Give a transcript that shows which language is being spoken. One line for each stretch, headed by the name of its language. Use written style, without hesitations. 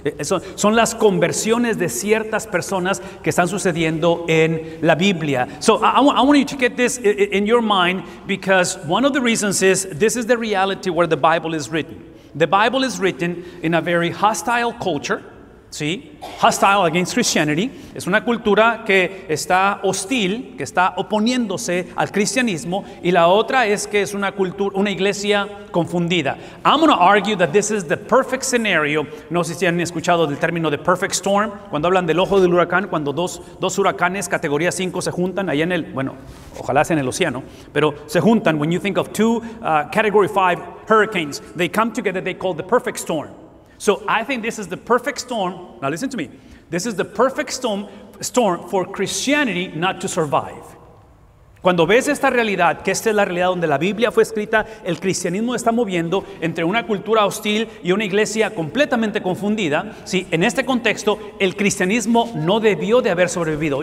Spanish: Son las conversiones de ciertas personas que están sucediendo en la Biblia.
English: So I want you to get this in your mind, because one of the reasons is this is the reality where the Bible is written. The Bible is written in a very hostile culture. ¿Sí? Hostile against Christianity.
Spanish: Es una cultura que está hostil, que está oponiéndose al cristianismo. Y la otra es que es una cultura, una iglesia confundida.
English: I'm going to argue that this is the perfect scenario.
Spanish: No sé si han escuchado del término de perfect storm. Cuando hablan del ojo del huracán, cuando dos huracanes categoría 5 se juntan allá en el, bueno, ojalá sea en el océano, pero se juntan.
English: When you think of two category 5 hurricanes, they come together, they call the perfect storm. So I think this is the perfect storm. Now listen to me. This is the perfect storm for Christianity not to survive.
Spanish: Cuando ves esta realidad, que esta es la realidad donde la Biblia fue escrita, el cristianismo está moviendo entre una cultura hostil y una iglesia completamente confundida. Sí, en este contexto, el cristianismo no debió de haber sobrevivido.